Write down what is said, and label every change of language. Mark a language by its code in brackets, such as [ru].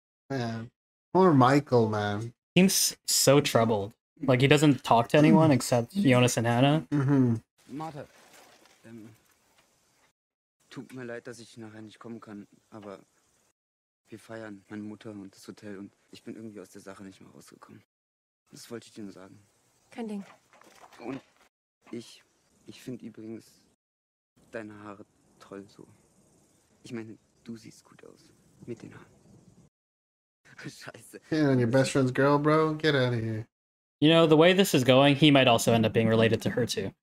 [en] Man, poor Michael, man. He seems so troubled. Like, he doesn't talk to anyone except Jonas and Hannah. Mm-hmm. [de] Martha, tut mir leid, dass ich nachher nicht kommen kann, aber wir feiern meine Mutter und das Hotel und ich bin irgendwie aus der Sache nicht mehr rausgekommen. Das wollte ich dir nur sagen. Kein Ding. Und ich finde übrigens deine Haare toll so. Ich meine, du siehst gut aus mit den Haaren. [en] Yeah, and your best friend's girl, bro, get out of here. You know, the way this is going, he might also end up being related to her too.